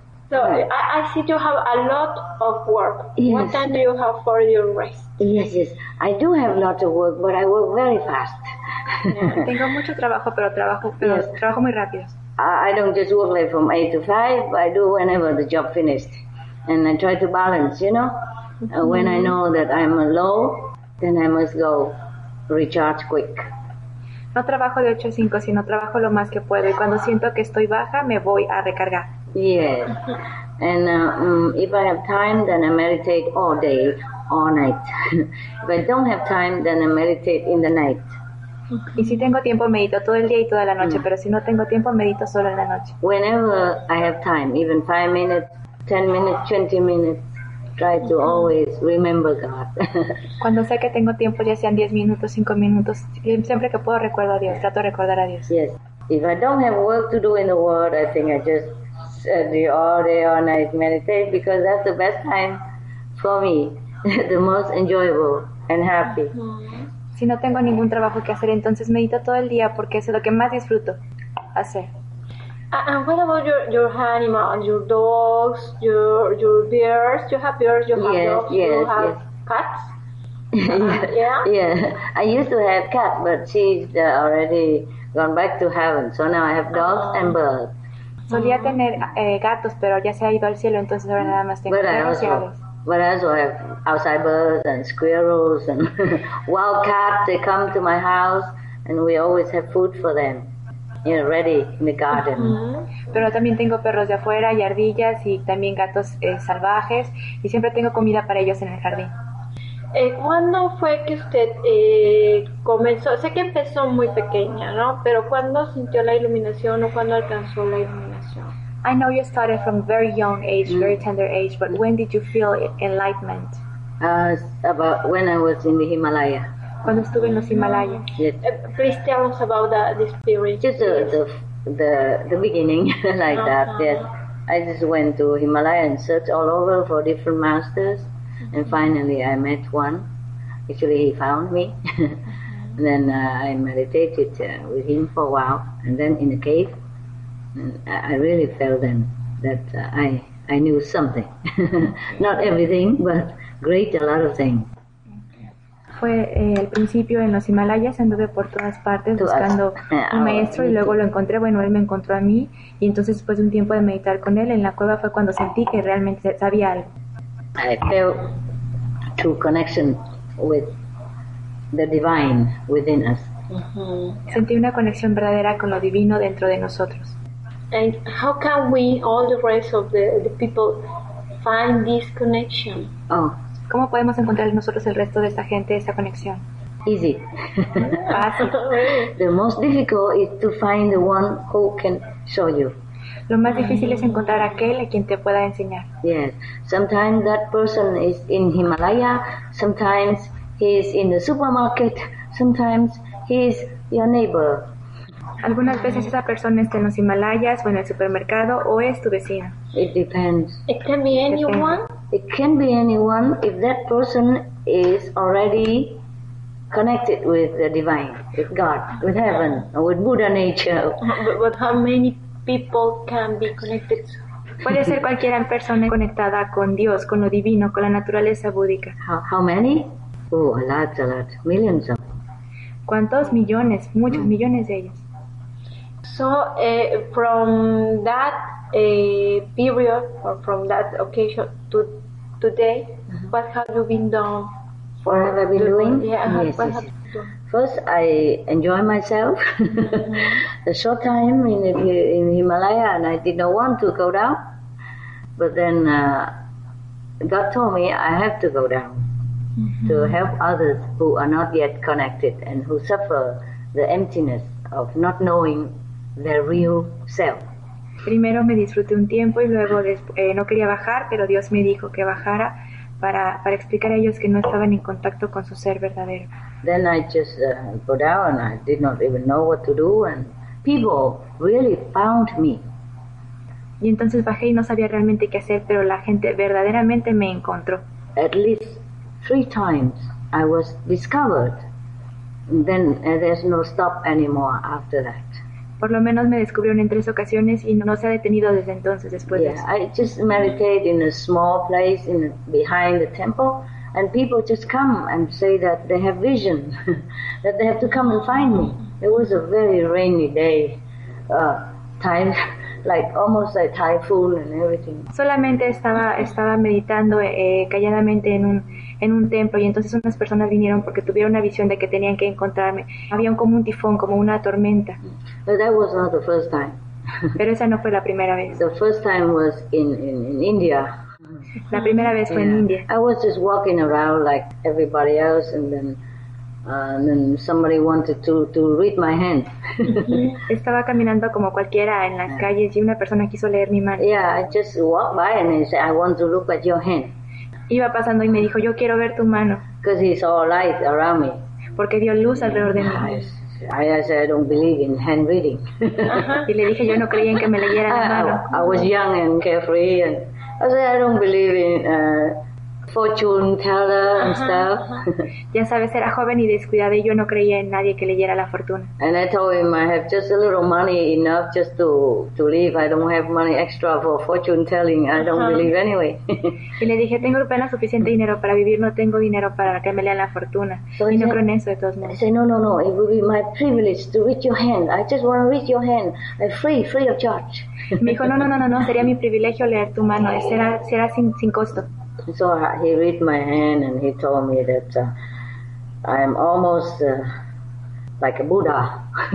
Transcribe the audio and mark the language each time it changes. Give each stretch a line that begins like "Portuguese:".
English: So I see you have a lot of work. Yes. What time do you have for your rest? Yes, yes. I do have a lot of work, but I work very fast.
Spanish: Yeah, tengo mucho trabajo, pero trabajo muy rápido.
English: I don't just work like from 8 to 5, I do whenever the job finished. And I try to balance, you know? Mm-hmm. When I know that I'm low, then I must go recharge quick.
Spanish: No trabajo de 8 a 5, sino trabajo lo más que puedo. Y cuando siento que estoy baja, me voy a recargar.
English: Yes. And if I have time, then I meditate all day. All night. If I don't have time, then I meditate in the night.
Spanish: Y si tengo tiempo, medito todo el día y toda la noche. Pero si no tengo tiempo, medito solo en la noche.
English: Whenever I have time, even 5 minutes, 10 minutes, 20 minutes, try to always remember God.
Spanish: Cuando sé que tengo tiempo, ya sean 10 minutos, 5 minutos, siempre que puedo recuerdo a Dios. Trato de recordar a Dios.
English: Yes. If I don't have work to do in the world, I think I just do all day, all night meditate, because that's the best time for me. The most enjoyable and happy.
Spanish: Si no tengo ningún trabajo que hacer, entonces medito todo el día porque es lo que más disfruto hacer.
English: And what about your animals, your dogs, your bears? You have bears, you have yes, dogs, yes, you have yes. cats? Yeah? Yeah. I used to have cat, but she's already gone back to heaven. So now I have dogs and birds.
Spanish: Solía tener gatos, pero ya se ha ido al cielo, entonces ahora nada más tengo perros y aves.
English: But I also have outside birds and squirrels and wild cats. They come to my house and we always have food for them, you know, ready in the garden.
Spanish: Pero también tengo perros de afuera y ardillas y también gatos salvajes y siempre tengo comida para ellos en el jardín. ¿Cuándo fue que usted comenzó? Sé que empezó muy pequeña, ¿no? Pero ¿cuándo sintió la iluminación o cuándo alcanzó la iluminación?
English: I know you started from very young age, very tender age, but when did you feel enlightenment? About when I was in the Himalaya.
Spanish: cuando estuve en los Himalayas.
English: Please tell us about the experience. Just the beginning, like that. Yes, I just went to Himalaya and searched all over for different masters, and finally I met one. Actually, he found me. And then I meditated with him for a while, and then in the cave, and I really felt then that I knew something. Not everything, but great a lot of things.
Spanish: Fue el principio en los Himalayas, anduve por todas partes buscando un maestro y luego lo encontré. Bueno, él me encontró a mí, y entonces después de un tiempo de meditar con él en la cueva fue cuando sentí que realmente sabía algo.
English: I felt true connection with the divine within us.
Spanish: Sentí una conexión verdadera con lo divino dentro de nosotros.
English: And how can we, all the rest of the people, find this connection?
Spanish: ¿Cómo podemos encontrar nosotros el resto de esta gente esa conexión?
English: Easy. The most difficult is to find the one who can show you.
Spanish: Lo más difícil es encontrar aquel a quien te pueda enseñar.
English: Yes. Sometimes that person is in Himalaya, sometimes he is in the supermarket, sometimes he is your neighbor.
Spanish: Algunas veces esa persona está en los Himalayas o en el supermercado o es tu vecina.
English: It depends. It can be anyone. It can be anyone if that person is already connected with the divine, with God, with heaven, or with Buddha nature. But how many people can be connected?
Spanish: Puede ser cualquier persona conectada con Dios, con lo divino, con la naturaleza búdica.
English: How many? Oh, a lot. Millions of.
Spanish: ¿Cuántos millones? Muchos millones de ellos.
English: So, from that period or from that occasion to today, what have you been doing? What have I been doing? Yes. First, I enjoy myself. A short time in Himalaya, and I did not want to go down. But then God told me I have to go down to help others who are not yet connected and who suffer the emptiness of not knowing their real self.
Spanish: Primero me disfruté un tiempo y luego no quería bajar, pero Dios me dijo que bajara para explicar a ellos que no estaban en contacto con su ser verdadero.
English: Then I just go down and I did not even know what to do, and people really found me.
Spanish: Y entonces bajé y no sabía realmente qué hacer, pero la gente verdaderamente me encontró.
English: At least 3 times I was discovered. Then there's no stop anymore after that.
Spanish: Por lo menos me descubrieron en 3 ocasiones y no se ha detenido desde entonces, después de eso.
English: I just meditate in a small place in behind the temple, and people just come and say that they have vision, that they have to come and find me. It was a very rainy day, time, like almost like typhoon and everything.
Spanish: Solamente estaba meditando calladamente en un templo, y entonces unas personas vinieron porque tuvieron una visión de que tenían que encontrarme. Había como un tifón, como una tormenta.
English: But that was not the first time.
Spanish: Pero esa no fue la primera vez.
English: The first time was in India.
Spanish: La primera vez fue en India.
English: I was just walking around like everybody else, and then somebody wanted to read my hand.
Spanish: Estaba caminando como cualquiera en las calles y una persona quiso leer mi mano.
English: Yeah, I just walked by and he said, I want to look at your hand.
Spanish: Iba pasando y me dijo, yo quiero ver tu mano.
English: Because he saw light around me.
Spanish: Porque vio luz alrededor de mí.
English: I said, I don't believe in hand reading.
Spanish: Y le dije, yo no creía en que me leyera la mano.
English: I was young and carefree, and I said, I don't believe in fortune teller and stuff.
Spanish: Ya sabes, era joven y descuidado y yo no creía en nadie que leyera la fortuna.
English: And I told him I have just a little money enough just to live. I don't have money extra for fortune telling. I don't believe anyway.
Spanish: Y le dije, tengo apenas suficiente dinero para vivir, no tengo dinero para que me lean la fortuna. So y no creo en eso de todos modos.
English: I said, no, it will be my privilege to reach your hand. I just want to reach your hand. I'm free of charge.
Spanish: Me dijo, no, sería mi privilegio leer tu mano. Será sin costo.
English: So he read my hand and he told me that I am almost like a Buddha.